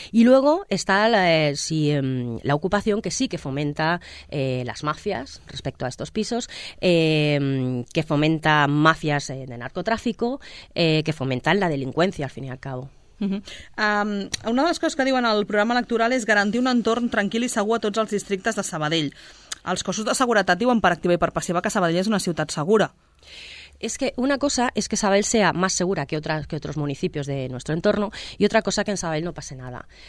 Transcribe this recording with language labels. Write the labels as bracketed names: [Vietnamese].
[Spanish] Y luego está la ocupación, que sí que fomenta las mafias respecto a estos pisos, que fomenta mafias de narcotráfico, que fomentan la delincuencia, al fin y al cabo. [Catalan] Una de les coses que diuen al programa electoral és garantir un entorn tranquil i segur a tots els districtes de Sabadell. Els cossos de seguretat diuen per activa i per passiva que Sabadell és una ciutat segura. [Spanish] Es que una cosa es que Sabadell sea más segura que otros municipios de nuestro entorno y otra cosa que en Sabadell no pase nada.